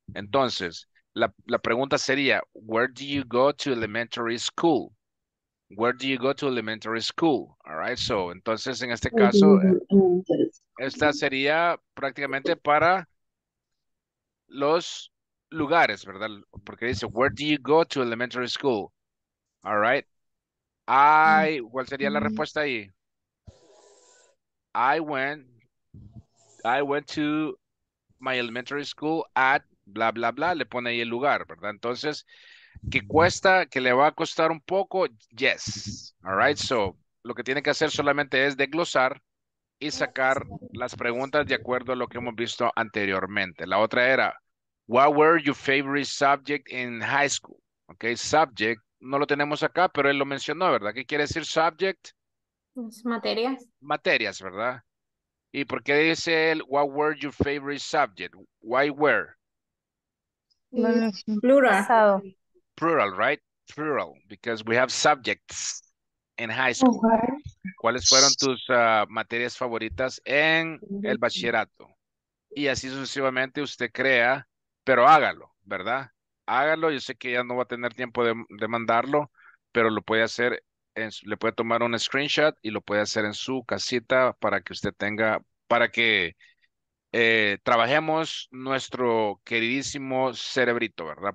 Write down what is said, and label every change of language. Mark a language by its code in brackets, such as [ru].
[es] Entonces, la pregunta sería, [en] where do you go to elementary school? Where do you go to elementary school? All right, so, [es] entonces, en este caso, esta sería prácticamente para los lugares, ¿verdad? Porque dice, [en] where do you go to elementary school? All right. [es] ¿Cuál sería la respuesta ahí? [en] I went to my elementary school at bla, bla, bla. [es] Le pone ahí el lugar, ¿verdad? Entonces, ¿qué cuesta? ¿Que le va a costar un poco? [en] Yes. All right. [es] So, lo que tiene que hacer solamente es desglosar y sacar las preguntas de acuerdo a lo que hemos visto anteriormente. La otra era, [en] what were your favorite subject in high school? [es] Okay, subject, no lo tenemos acá, pero él lo mencionó, ¿verdad? ¿Qué quiere decir subject? Materias, ¿verdad? ¿Y por qué dice él, [en] what were your favorite subject? Why were? Plural, right? Plural, because we have subjects in high school. Uh-huh. [es] ¿Cuáles fueron tus materias favoritas en el bachillerato? Y así sucesivamente usted crea. Pero hágalo, ¿verdad? Hágalo. Yo sé que ya no va a tener tiempo de mandarlo, pero lo puede hacer, le puede tomar un screenshot y lo puede hacer en su casita para que usted tenga, para que trabajemos nuestro queridísimo cerebrito, ¿verdad?